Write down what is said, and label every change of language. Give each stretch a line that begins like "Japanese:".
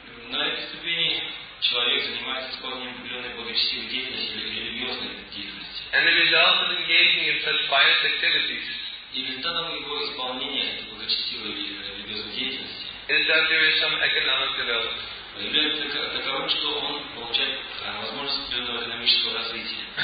Russian: На этой ступени человек занимается исполнением определенной благочестивой деятельности или религиозной деятельности.
English: And the result of engaging in such pious activities.
Russian: И результатом его исполнения этой благочестивой или религиозной деятельности.
English: Is that there is some economic development.
Russian: Таковым, что он получает возможность определенного экономического развития.